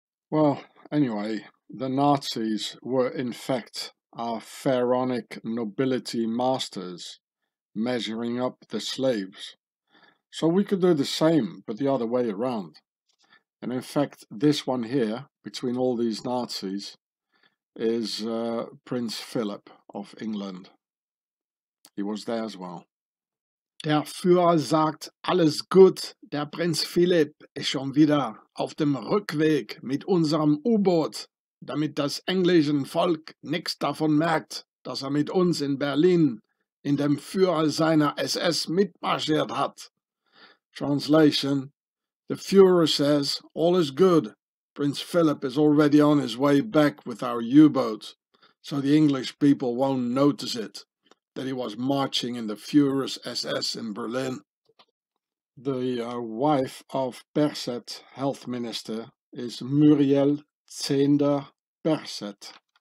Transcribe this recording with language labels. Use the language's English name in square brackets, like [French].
[English] Well, anyway, the Nazis were in fact our pharaonic nobility masters measuring up the slaves. So we could do the same, but the other way around. And in fact, this one here, between all these Nazis, is Prince Philip of England. He was there as well. [German] Der Führer sagt, alles gut, der Prinz Philipp ist schon wieder auf dem Rückweg mit unserem U-Boot, damit das englische Volk nichts davon merkt, dass mit uns in Berlin in dem Führer seiner SS mitmarschiert hat. [English] Translation: the Führer says, all is good. Prince Philip is already on his way back with our U-boat, so the English people won't notice it, that he was marching in the Führer's SS in Berlin. The wife of Per-Seth, health minister, is Muriel Zehnder Per-Seth.